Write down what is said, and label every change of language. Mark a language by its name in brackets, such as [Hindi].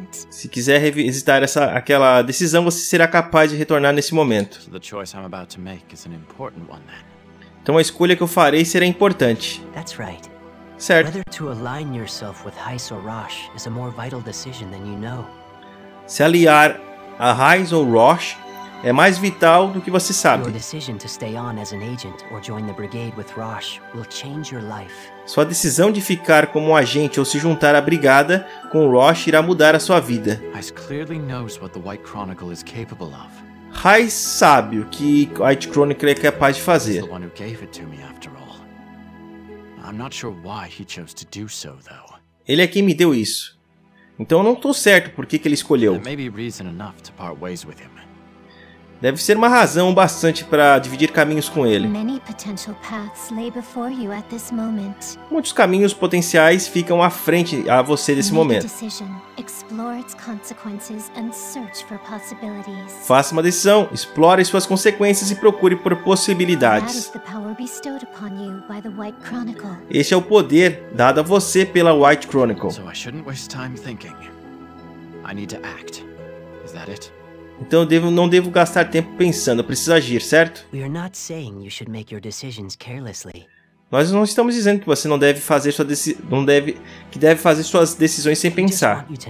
[Portuguese] Se quiser revisitar aquela decisão, você será capaz de retornar nesse momento. Então, a escolha que eu vou fazer é uma importante [English] one, then. [Portuguese] Então a escolha que eu farei será importante. [English] That's right. [Portuguese] Certo. [English] Whether to align yourself with Heis or Rosh is a more vital decision than you know. [Portuguese] Se aliar a Heis ou Rosh é mais vital do que você sabe. [English] Your decision to stay on as an agent or join the brigade with Rosh will change your life. [Portuguese] Sua decisão de ficar como um agente ou se juntar à brigada com Rosh irá mudar a sua vida. [English] Heis clearly knows what the White Chronicle is capable of. [Portuguese] Heis sabe o que White Chronicle é capaz de fazer. [English] The one who gave it to me, after all. I'm not sure why he chose to do so, though. [Portuguese] Ele é quem me deu isso. Então eu não tô certo por que ele escolheu. [English] There may be reason enough to part ways with him. [Portuguese] Deve ser uma razão bastante para dividir caminhos com ele. [English] Many potential paths lay before you at this moment. [Portuguese] Muitos caminhos potenciais ficam à frente a você nesse momento. [English] Make a decision, explore its consequences and search for possibilities. [Portuguese] Faça uma decisão, explore suas consequências e procure por possibilidades. [English] That is the power bestowed upon you by the White Chronicle. [Portuguese] Este é o poder dado a você pela White Chronicle. [English] So I shouldn't waste time thinking. I need to act. Is that it? [Portuguese] Então eu não devo gastar tempo pensando, eu preciso agir, certo? [English] We are not saying you should make your decisions carelessly. [Portuguese] Nós não estamos dizendo que você deve fazer suas decisões sem pensar.